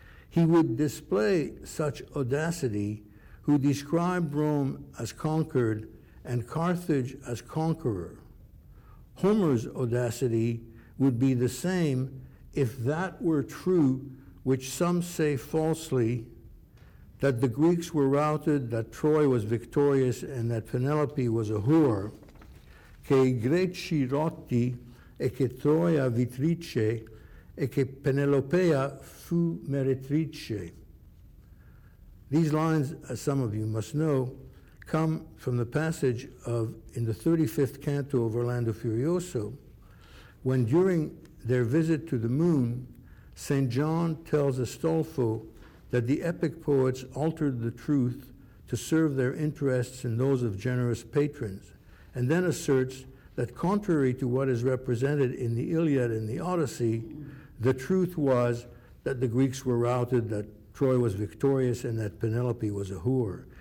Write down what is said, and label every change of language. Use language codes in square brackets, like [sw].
[en] He would display such audacity who described Rome as conquered and Carthage as conqueror. Homer's audacity would be the same if that were true, which some say falsely, that the Greeks were routed, that Troy was victorious, and that Penelope was a whore. [it] Che I Greci rotti e che Troia vittrice e che Penelopea fu meretrice. [en] These lines, as some of you must know, come from the passage of in the 35th canto of Orlando Furioso, when during their visit to the moon, St. John tells Astolfo that the epic poets altered the truth to serve their interests and those of generous patrons, and then asserts that contrary to what is represented in the Iliad and the Odyssey, the truth was that the Greeks were routed, that Troy was victorious, and that Penelope was a whore.